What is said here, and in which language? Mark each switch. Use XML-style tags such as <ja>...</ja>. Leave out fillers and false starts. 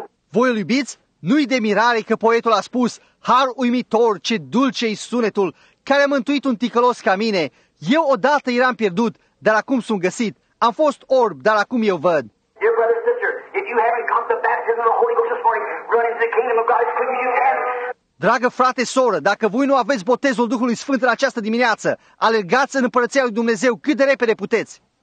<ro>Voi îl iubiți? Nu-i de mirare că poetul a spus, har uimitor, ce dulce-i sunetul, care a mântuit un ticălos ca mine. Eu odată eram pierdut, dar acum sunt găsit. Am fost orb, dar acum eu văd.</ro> <en>Dear brother, sister, if you haven't come to baptism of the Holy Ghost this morning, run into the kingdom of God as quick as you can.</en> <ro>Dragă frate, soră, dacă voi nu aveți botezul Duhului Sfânt în această dimineață, alergați în Împărăția lui Dumnezeu cât de repede puteți.</ro>